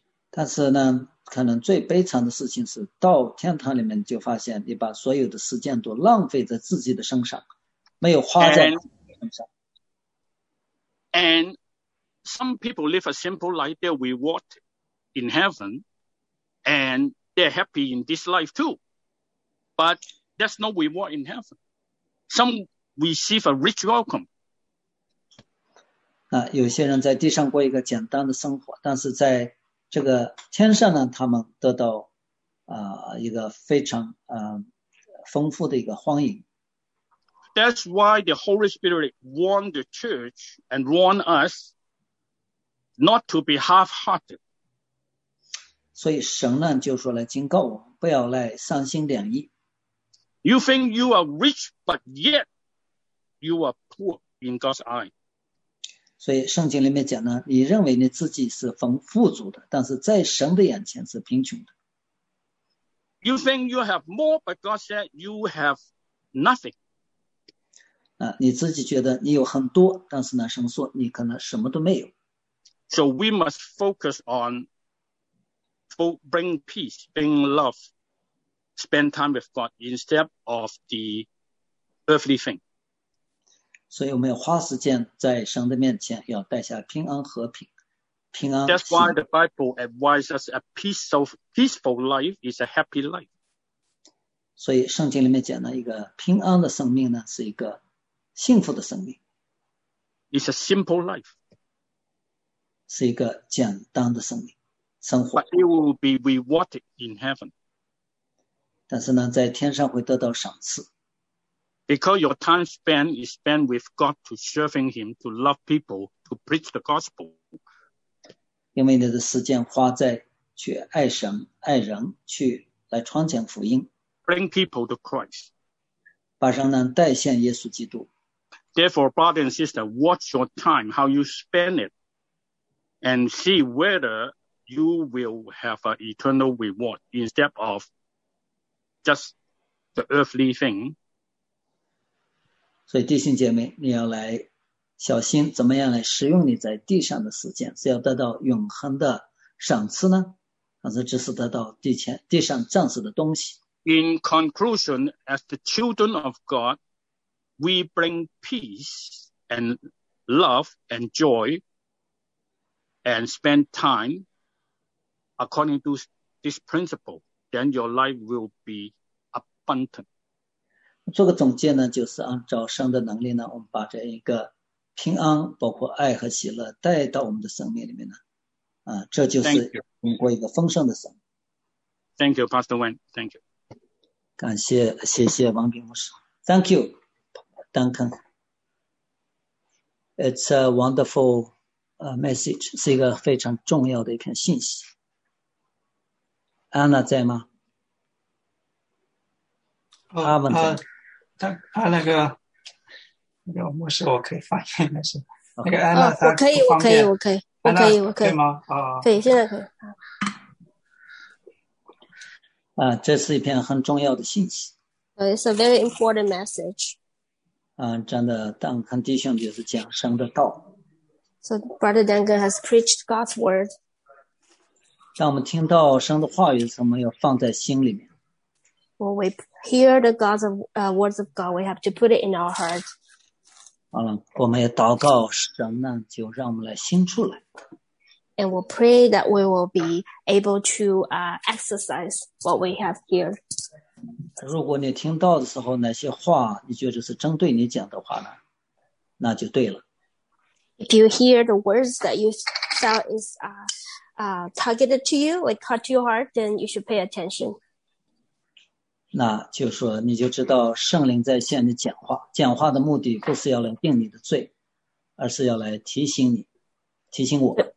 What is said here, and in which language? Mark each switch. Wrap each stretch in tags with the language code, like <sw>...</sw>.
<zh>但是呢，可能最悲惨的事情是到天堂里面就发现你把所有的时间都浪费在自己的身上，没有花在身上。</zh> <en>And some people live a simple life, they're reward in heaven, and they're happy in this life too. But that's no reward in heaven. Some receive a rich welcome.</en> <zh>那有些人在地上过一个简单的生活，但是在这个天上呢，他们得到一个非常丰富的一个欢迎。</zh> <en>That's why the Holy Spirit warned the church and warned us not to be half-hearted.</en> <zh>所以神呢就说来警告我们，不要来三心两意。</zh> <en>You think you are rich, but yet you are poor in God's eye.</en> <zh>所以圣经里面讲呢，你认为你自己是富足的，但是在神的眼前是贫穷的。</zh> <en>You think you have more, but God said you have nothing.</en> <zh>你自己觉得你有很多，但是呢，神说你可能什么都没有。</zh> <en>So we must focus on bring peace, bring love, spend time with God instead of the earthly thing.</en> <zh>所以我们要花时间在神的面前，要带下平安和平，平安。</zh> <en>That's why the Bible advises a peaceful life is a happy life.</en> <zh>所以圣经里面讲的一个平安的生命呢，是一个幸福的生命。</zh> <en>It's a simple life.</en> <zh>是一个简单的生命。</zh> <en>But it will be rewarded in heaven.</en> <zh>但是呢，在天上会得到赏赐。</zh> <en>Because your time spent is spent with God to serving Him, to love people, to preach the gospel.</en> <zh>因为你的时间花在去爱神、爱人，去来传讲福音。</zh> <en>Bring people to Christ.</en> <zh>把人呢带向耶稣基督。</zh> <en>Therefore, brother and sister, watch your time, how you spend it, and see whether. You will have an eternal reward instead of just the earthly thing.</en> <zh>所以弟兄姐妹，你要来小心，怎么样来使用你在地上的时间，是要得到永恒的赏赐呢？还是只是得到地上暂时的东西？</zh> <en>In conclusion, as the children of God, we bring peace and love and joy and spend time. According to this principle, then your life will be abundant.</en> <zh>做个总结呢，就是按照神的能力呢，我们把这一个平安，包括爱和喜乐带到我们的生命里面呢，这就是通过一个丰盛的生命。</zh> <en>Thank you, Pastor Wen. Thank you.</en> <zh>感谢，谢谢王炳牧师。</zh> <en>Thank you, Duncan. It's a wonderful message.</en> <zh>是一个非常重要的一篇信息。安娜在吗？阿文在。他那个，牧师，我可以发言没事。那个安娜，我可以，我可以。 对吗？对，现在可以。这是一篇很重要的信息。</zh> <en>It's a very important message.</en> <zh>真的，当看弟兄就是讲神的道。</zh> <en>So Brother Duncan has preached God's word.</en> <zh>当我们听到神的话语，我们要放在心里面。</zh> <en>When we hear the God's words of God, we have to put it in our heart.</en> <zh>好了，我们也祷告神呢，就让我们来兴出来。</zh> <en>And we'll pray that we will be able to exercise what we have heard.</en> <zh>如果你听到的时候，哪些话你觉得是针对你讲的话呢？那就对了。</zh> <en>If you hear the words that you felt is targeted to you, like cut to your heart, then you should pay attention.</en> <zh>那就说你就知道圣灵在向你讲话，讲话的目的不是要来定你的罪，而是要来提醒你，提醒我。</zh>